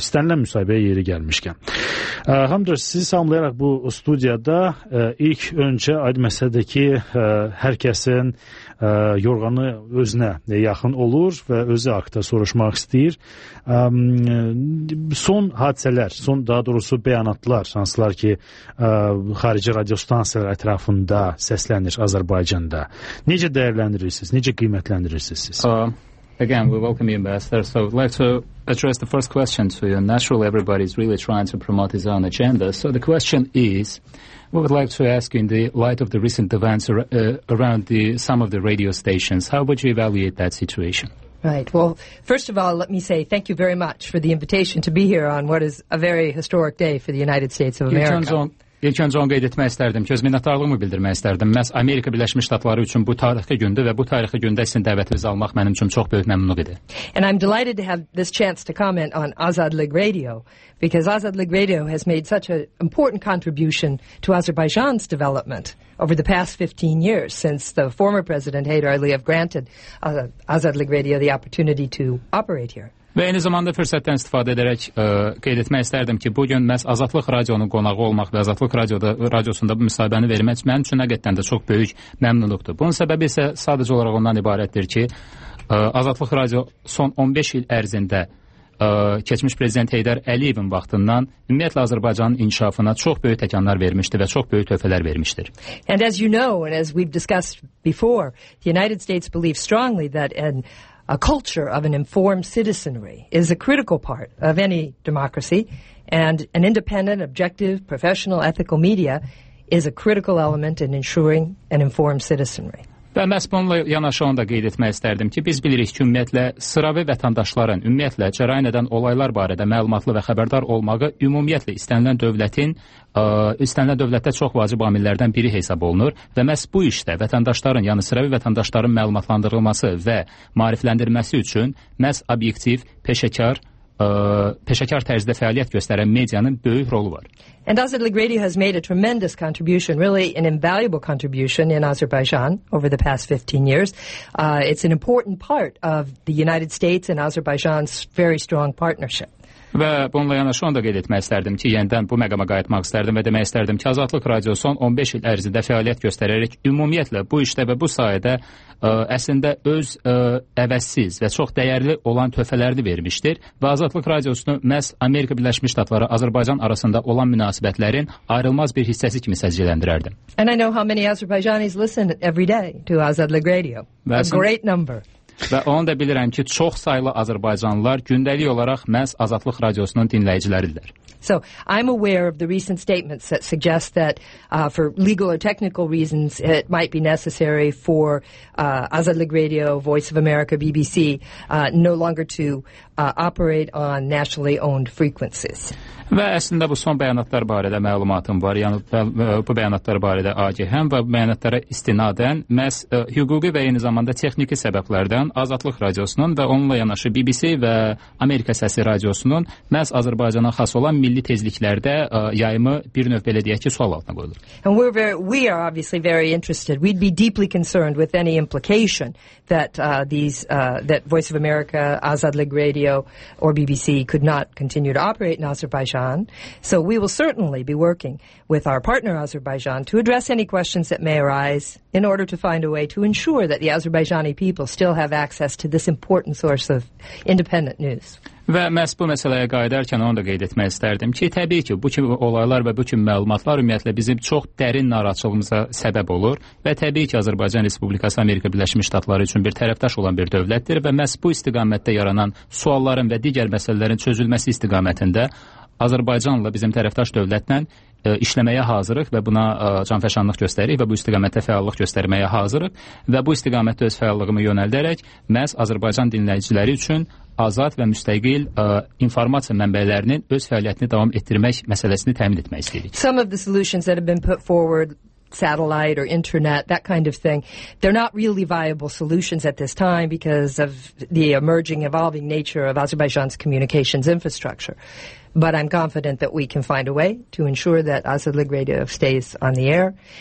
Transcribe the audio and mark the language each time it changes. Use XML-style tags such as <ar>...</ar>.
<az>İstənilən müsahibəyə yeri gəlmişkən. Hamdur, sizi salamlayaraq bu studiyada ilk öncə aid məsələdir ki, hər kəsin yorğanı özünə yaxın olur və özü haqda soruşmaq istəyir. Son hadisələr, son daha doğrusu bəyanatlar, hansılar ki, xarici radio stansiyalar ətrafında səslənir Azərbaycanda. Necə dəyərləndirirsiniz, necə qiymətləndirirsiniz siz?</az> <en>Again, we welcome the ambassador. So I'd like to address the first question to you. Naturally, everybody is really trying to promote his own agenda. So the question is, we would like to ask you, in the light of the recent events around the, some of the radio stations, how would you evaluate that situation? Right. Well, first of all, let me say thank you very much for the invitation to be here on what is a very historic day for the United States of America.</en> <az>İlk öncə onu qeyd etmək istərdim ki, öz minnətdarlığımı bildirmək istərdim. Məhz Amerika Birləşmiş Ştatları üçün bu tarixi gündür və bu tarixi gündə sizin dəvətinizi almaq mənim üçün çox böyük məmnunluq idi.</az> <en>And I'm delighted to have this chance to comment on Azadlıq Radio, because Azadlıq Radio has made such an important contribution to Azerbaijan's development over the past 15 years, since the former president Heydar Aliyev granted Azadlıq Radio the opportunity to operate here.</en> <az>Və eyni zamanda fürsətdən istifadə edərək qeyd etmək istərdim ki, bugün məhz Azadlıq Radionun qonağı olmaq və Azadlıq Radiosunda bu müsahibəni vermək mənim üçün həqiqətən də çox böyük məmnunluqdur. Bunun səbəbi isə sadəcə olaraq ondan ibarətdir ki, Azadlıq Radio son 15 il ərzində keçmiş prezident Heydər Əliyevin vaxtından ümumiyyətlə Azərbaycanın inkişafına çox böyük təkanlar vermişdi və çox böyük töhfələr vermişdir.</az> <en>And as you know, and as we've discussed before, the United States believes strongly that a culture of an informed citizenry is a critical part of any democracy, and an independent, objective, professional, ethical media is a critical element in ensuring an informed citizenry.</en> <az>Və məhz bununla yanaşı onu da qeyd etmək istərdim ki, biz bilirik ki, ümumiyyətlə, sıravi vətəndaşların, ümumiyyətlə, cərayin edən olaylar barədə məlumatlı və xəbərdar olmağı ümumiyyətlə istənilən dövlətin, istənilən dövlətdə çox vacib amillərdən biri hesab olunur və məhz bu işdə vətəndaşların, yəni sıravi vətəndaşların məlumatlandırılması və maariflendirilməsi üçün məhz obyektiv, peşəkar, peşəkar tərzdə fəaliyyət göstərən medianın böyük rolu var.</az> <en>And Azadlıq Radio has made a tremendous contribution, really an invaluable contribution in Azerbaijan over the past 15 years. It's an important part of the United States and Azerbaijan's very strong partnership.</en> <az>Və bununla yanaşı onu da qeyd etmək istərdim ki, yenidən bu məqama qayıtmaq istərdim və demək istərdim ki, Azadlıq Radio son 15 il ərzində fəaliyyət göstərərək ümumiyyətlə bu işdə və bu sahədə əslində öz əvəzsiz və çox dəyərli olan töhfələrini vermişdir və Azadlıq Radiosunu məhz Amerika Birləşmiş Ştatları Azərbaycan arasında olan münasibətlərin ayrılmaz bir hissəsi kimi səciyyələndirərdim.</az> <en>And I know how many Azerbaijanis listen every day to Azadlıq Radio. A great number.</en> <az>Və onu da bilirəm ki, çox saylı Azərbaycanlılar gündəlik olaraq məhz Azadlıq Radiosunun dinləyiciləridirlər.</az> <en>So, I'm aware of the recent statements that suggest that for legal or technical reasons it might be necessary for Azadlıq Radio, Voice of America, BBC, no longer to operate on nationally owned frequencies.</en> <az>Və əslində bu son bəyanatlar barədə məlumatım var, yəni bu bəyanatlar barədə agahəm və bu bəyanatlara istinadən məhz hüquqi və eyni zamanda texniki səbəblərdən Azadlıq Radiosunun və onunla yanaşı BBC və Amerika Səsi Radiosunun məhz Azərbaycana xas olan milli tezliklərdə yayımı bir növ belə deyək ki, sual altına qoyulur.</az> <en>And we are obviously very interested. We'd be deeply concerned with any implication that that Voice of America, Azadlıq Radio or BBC could not continue to operate in Azerbaijan. So we will certainly be working with our partner Azerbaijan to address any questions that may arise in order to find a way to ensure that the Azerbaijani people still have access to this important source of independent news.</en> <az>Və məhz bu məsələyə qayıdarkən onu da qeyd etmək istərdim ki, təbii ki, bu kimi olaylar və bu kimi məlumatlar ümumiyyətlə bizim çox dərin narahatçılığımıza səbəb olur və təbii ki, Azərbaycan Respublikası Amerika Birləşmiş Ştatları üçün bir tərəfdaş olan bir dövlətdir və məhz bu istiqamətdə yaranan sualların və digər məsələlərin çözülməsi istiqamətində Azərbaycanla, bizim tərəfdaş dövlətlə işləməyə hazırıq və buna canfəşanlıq göstəririk və bu istiqamətdə fəallıq göstərməyə hazırıq və bu istiqamətdə öz fəallığımı yönəldərək məhz Azərbaycan dinləyiciləri üçün azad və müstəqil informasiya mənbələrinin öz fəaliyyətini davam etdirmək məsələsini təmin etmək istəyirik.</az> <en>Some of the solutions that have been put forward, satellite or internet, that kind of thing, they're not really viable solutions at this time because of the emerging, evolving nature of Azerbaijan's communications infrastructure. But I'm confident that we can find a way to ensure that Azerlig Radio stays on the air.</en>